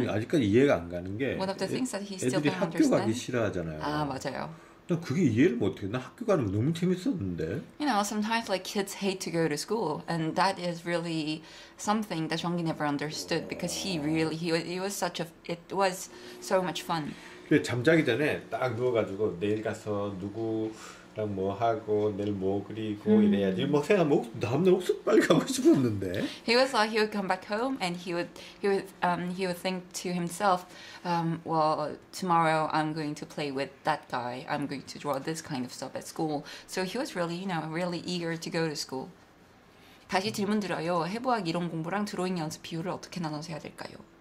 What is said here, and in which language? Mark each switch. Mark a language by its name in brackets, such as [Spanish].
[Korean] 저는 아직까지 이해가 안 가는 게 [English] one of the things that he still [Korean] 애들이 학교 [English] understand? [Korean] 가기 싫어하잖아요. 아 맞아요. 나 그게 이해를 못해. 나 학교 가는 거 너무 재밌었는데. [English] You know, sometimes like kids hate to go to school, and that is really something that Jeonggi never understood because it was so much fun. [Korean] 그래, 잠자기 전에 딱 누워가지고 내일 가서 누구랑 뭐 하고 내일 뭐 그리고 이래야지. 뭐 생각 다음날 옥수수 빨리 가고 싶었는데. [English] He was like he would come back home and he would think to himself. Well, tomorrow I'm going to play with that guy. I'm going to draw this kind of stuff at school. So he was really, you know, really eager to go to school. [Korean] 다시 질문 드려요. 해부학 이론 공부랑 드로잉 연습 비율을 어떻게 나눠서 해야 될까요?